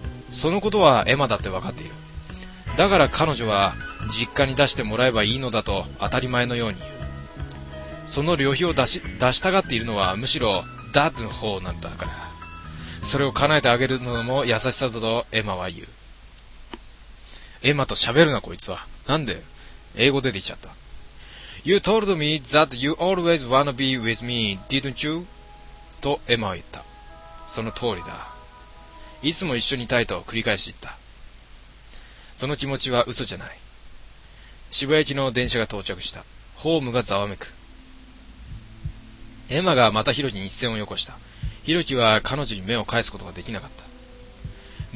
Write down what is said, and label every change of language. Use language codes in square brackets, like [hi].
[ja] そのことはエマだって分かっている。だから彼女は実家に出してもらえばいいのだと当たり前のように言う。その旅費を出したがっているのはむしろダッドの方なんだから、それを叶えてあげるのも優しさだとエマは言う。エマと喋るなこいつは。なんで英語出てきちゃった。 [en] You told me that you always wanna be with me, didn't you? [ja] とエマは言った。その通りだ、いつも一緒にいたいと繰り返し言った。その気持ちは嘘じゃない。渋谷駅の電車が到着した。ホームがざわめく。エマがまたヒロキに一線をよこした。ヒロキは彼女に目を返すことができなかった。